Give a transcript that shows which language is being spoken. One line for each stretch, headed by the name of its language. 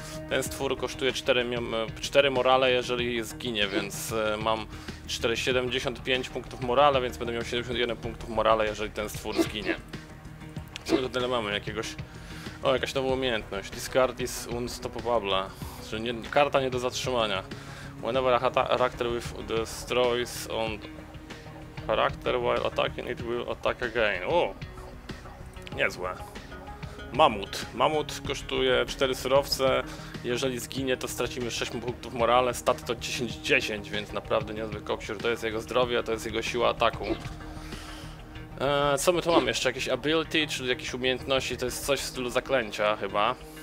Polish: Ten stwór kosztuje 4 morale, jeżeli zginie, więc mam 475 punktów morale, więc będę miał 71 punktów morale, jeżeli ten stwór zginie. Co my tutaj mamy? Jakaś nowa umiejętność.
English: Discard is unstoppable.
Polish: Czyli nie, karta nie do zatrzymania.
English: Whenever a character destroys on character while attacking, it will attack again.
Polish: O! Niezłe. Mamut. Mamut kosztuje 4 surowce. Jeżeli zginie, to stracimy 6 punktów morale. Stat to 10-10, więc naprawdę niezły koksior. To jest jego zdrowie, a to jest jego siła ataku. Co my tu mamy jeszcze? Jakieś ability, czyli jakieś umiejętności, to jest coś w stylu zaklęcia chyba.